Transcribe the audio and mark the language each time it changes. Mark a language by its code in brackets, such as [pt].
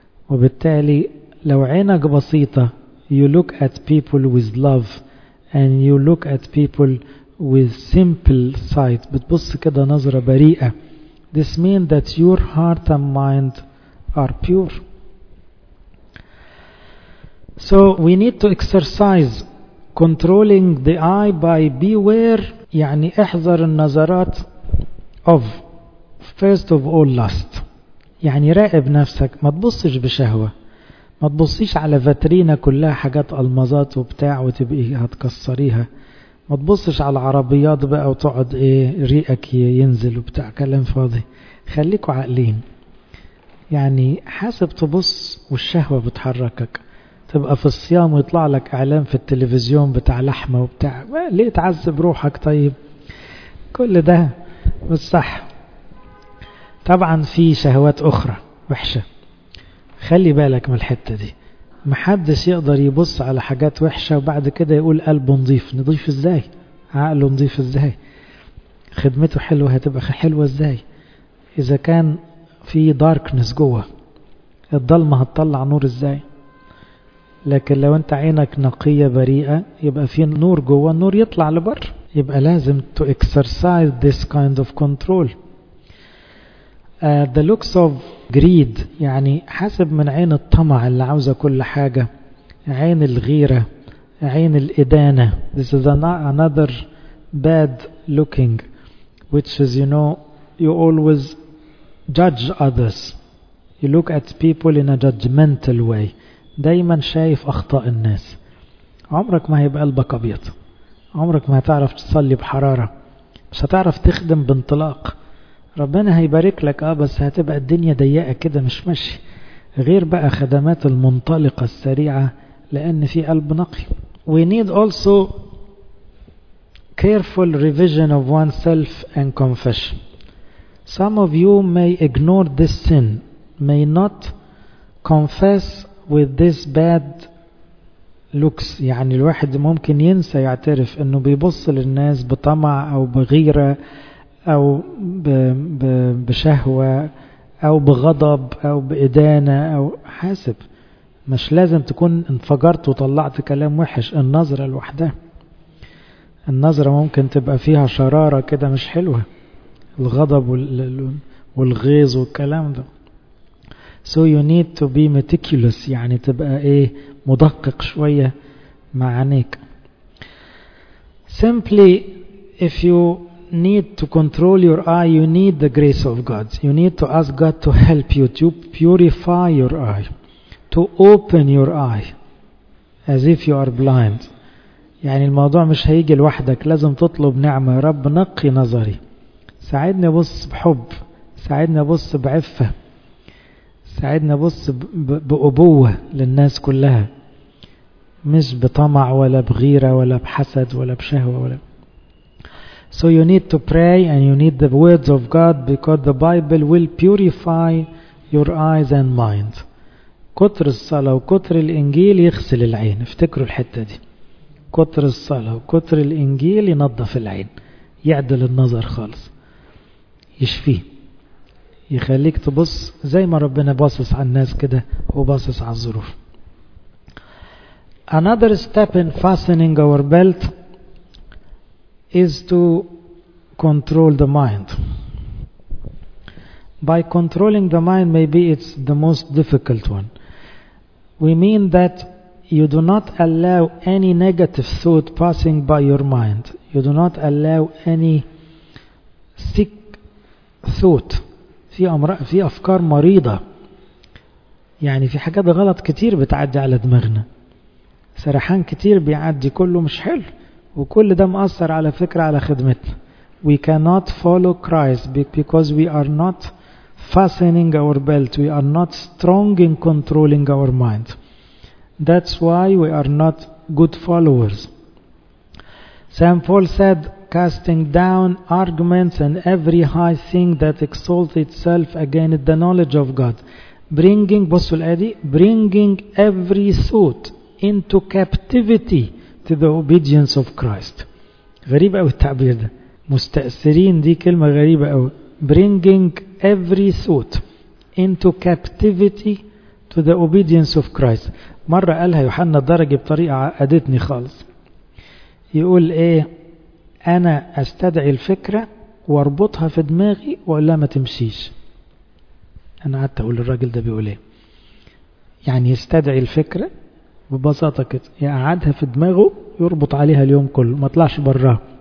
[ar] وبالتالي لو عينك بسيطة, [en] you look at people with love and you look at people with simple sight, [ar] بتبص كده نظرة بريئة, [en] this means that your heart and mind are pure. So we need to exercise controlling the eye by beware, [ar] يعني احذر النظرات [en] of first of all lust. [ar] يعني راقب نفسك, ما تبصش بشهوة, ما تبصش على فاترينة كلها حاجات ألمازات وبتاع وتبقي هتكسريها. ما تبصش على العربيات بقى وتقعد ايه ريقك ينزل وبتاع كلام فاضي، خليكوا عاقلين. يعني حاسب تبص والشهوة بتحركك، تبقى في الصيام ويطلع لك اعلام في التلفزيون بتاع لحمة وبتاع، ليه تعذب روحك؟ طيب كل ده مش صح. طبعا في شهوات اخرى وحشة، خلي بالك من الحتة دي. محدش يقدر يبص على حاجات وحشة وبعد كده يقول قلبه نضيف. نضيف ازاي؟ عقله نضيف ازاي؟ خدمته حلوة هتبقى حلوة ازاي؟ اذا كان في داركنس جوه، الظلمة هتطلع نور ازاي؟ لكن لو انت عينك نقية بريئة يبقى في نور جوه، النور يطلع لبر. يبقى لازم [en] to exercise this kind of control. The looks of greed، [ar] يعني حسب من عين الطمع اللي عاوزة كل حاجة، عين الغيرة، عين الإدانة. [en] This is another bad looking, which is, you know, you always judge others. You look at people in a judgmental way. [ar] دايما شايف أخطاء الناس. عمرك ما هيبقى قلبك أبيض، عمرك ما هتعرف تصلي بحرارة، مش هتعرف تخدم بانطلاق. ربنا هيبارك لك بس هتبقى الدنيا ضيقة كده مش ماشي. غير بقى خدمات المنطلقة السريعة، لأن في قلب نقي. [en] We need also careful revision of oneself and confession. Some of you may ignore this sin, may not confess with this bad looks. [ar] يعني الواحد ممكن ينسى يعترف انه بيبص للناس بطمع او بغيرة او بشهوة او بغضب او بإدانة او حاسب. مش لازم تكون انفجرت وطلعت كلام وحش. النظرة لوحدها، النظرة ممكن تبقى فيها شرارة كده مش حلوة، الغضب والغيظ والكلام ده. [en] So you need to be meticulous، [ar] يعني تبقى ايه مدقق شوية مع عينيك. [en] Simply if you need to control your eye, you need the grace of God. You need to ask God to help you to purify your eye, to open your eye as if you are blind. [ar] يعني الموضوع مش هيجي لوحدك، لازم تطلب نعمة. يا رب نقي نظري، ساعدني أبص بحب، ساعدني أبص بعفة، ساعدني أبص بأبوة للناس كلها، مش بطمع ولا بغيرة ولا بحسد ولا بشهوة ولا. [en] So you need to pray and you need the words of God, because the Bible will purify your eyes and mind. [ar] كتر الصلاة وكتر الإنجيل يغسل العين، افتكروا الحتة دي. كتر الصلاة وكتر الإنجيل ينظف العين، يعدل النظر خالص، يشفيه، يخليك تبص زي ما ربنا باصص على الناس كده وباصص على الظروف. [en] Another step in fastening our belt is to control the mind. By controlling the mind, maybe it's the most difficult one. We mean that you do not allow any negative thought passing by your mind. You do not allow any sick thought. [ar] في أمراض، في أفكار مريضة، يعني في حاجات غلط كتير بتعدي على دماغنا، سرحان كتير بيعدي كله مش حلو، وكل ده مأثر على فكرة على خدمتنا. [en] We cannot follow Christ because we are not fastening our belt. We are not strong in controlling our mind. That's why we are not good followers. Saint Paul said, casting down arguments and every high thing that exalts itself against the knowledge of God. Bringing, [ar] بصوا الآية دي, [en] bringing every thought into captivity to the obedience of Christ. [ar] غريبة أوي التعبير ده. مستأثرين دي كلمة غريبة أوي. [en] Bringing every thought into captivity to the obedience of Christ. [ar] مرة قالها يوحنا الدرجي بطريقة عادتني خالص. يقول إيه؟ أنا أستدعي الفكرة وأربطها في دماغي وأقولها ما تمشيش. أنا قعدت أقول الراجل ده بيقول إيه؟ يعني يستدعي الفكرة ببساطة كده، يقعدها في دماغه يربط عليها اليوم كله، ما طلعش براها.